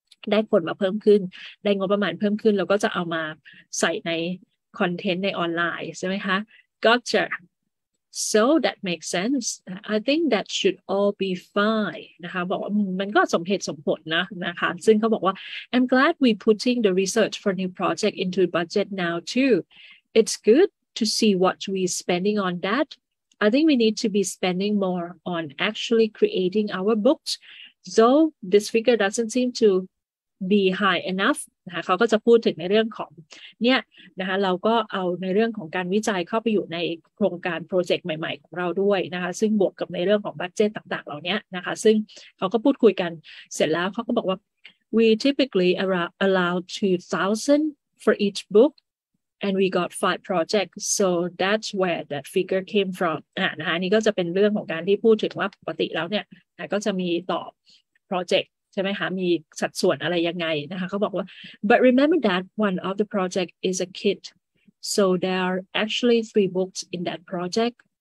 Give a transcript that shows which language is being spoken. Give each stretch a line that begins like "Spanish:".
Thai: ได้ผลมาเพิ่มขึ้นได้งบประมาณเพิ่มขึ้นแล้วก็จะเอามาใส่ในคอนเทนต์ในออนไลน์ใช่ไหมคะ
English: Gotcha so that makes sense I think that should all be fine
Thai: นะคะบอกว่ามันก็สมเหตุสมผลนะนะคะซึ่งเขาบอกว่า
English: I'm glad we putting the research for new project into budget now tooIt's good to see what we're spending on that. I think we need to be spending more on actually creating our books. So this figure doesn't seem to be high enough.
Thai: นะคะเขาก็จะพูดถึงในเรื่องของเนี่ยนะคะเราก็เอาในเรื่องของการวิจัยเข้าไปอยู่ในโครงการโปรเจกต์ใหม่ๆของเราด้วยนะคะซึ่งบวกกับในเรื่องของบัดเจ็ตต่างๆเหล่านี้นะคะซึ่งเขาก็พูดคุยกันเสร็จแล้วเขาก็บอกว่า
English: we typically allow 2,000 for each book. And we got 5 projects, so that's where that figure came from.
Thai: นะคะนี่ก็จะเป็นเรื่องของการที่พูดถึงว่าปกติแล้วเนี่ยก็จะมีต่อโปรเจกต์ใช่ไหมคะมีสัดส่วนอะไรยังไงนะคะเขาบอกว่า
English: But remember that one of the project is a kit, so there are actually 3 books in that project.